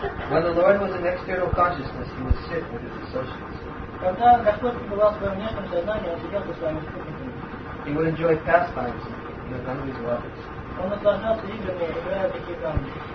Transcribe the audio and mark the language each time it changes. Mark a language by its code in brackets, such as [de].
[en] When the Lord was in external consciousness, he would sit with his associates. [ru] Когда Господь пребывал в своем внешнем сознании, он сидел со своими спутниками. [en] He would enjoy pastimes in the Ganges waters. [ru] Он наслаждался играми, играя в реке Ганги.